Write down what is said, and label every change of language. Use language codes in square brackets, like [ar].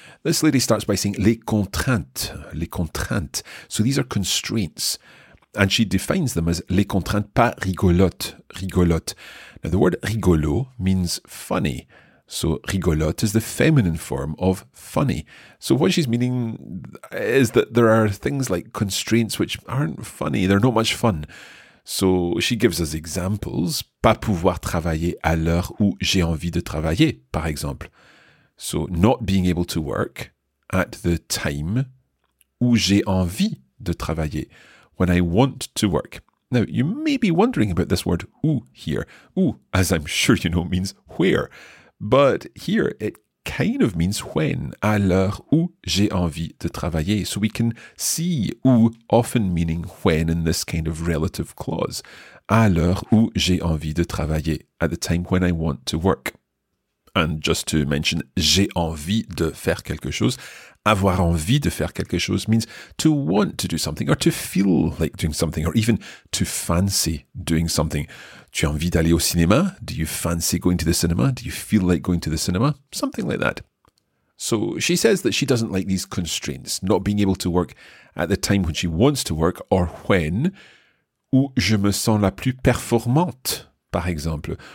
[en] This lady starts by saying les contraintes, so these are constraints, and she defines them as [fr] les contraintes pas rigolotes, rigolotes. [en] Now, the word rigolo means funny, so rigolote is the feminine form of funny. So what she's meaning is that there are things like constraints which aren't funny, they're not much fun. So she gives us examples, [fr] pas pouvoir travailler à l'heure où j'ai envie de travailler, par exemple. [en] So not being able to work at the time [fr] où j'ai envie de travailler, [en] when I want to work. Now, you may be wondering about this word où here. Où, as I'm sure you know, means where. But here it kind of means when, [fr] à l'heure où j'ai envie de travailler. [en] So we can see où often meaning when in this kind of relative clause. [fr] À l'heure où j'ai envie de travailler, [en] at the time when I want to work. And just to mention, [fr] j'ai envie de faire quelque chose. Avoir envie de faire quelque chose [en] means to want to do something or to feel like doing something or even to fancy doing something. [fr] Tu as envie d'aller au cinéma? [en] Do you fancy going to the cinema? Do you feel like going to the cinema? Something like that. So she says that she doesn't like these constraints, not being able to work at the time when she wants to work or when. [fr] Où je me sens la plus performante, par exemple.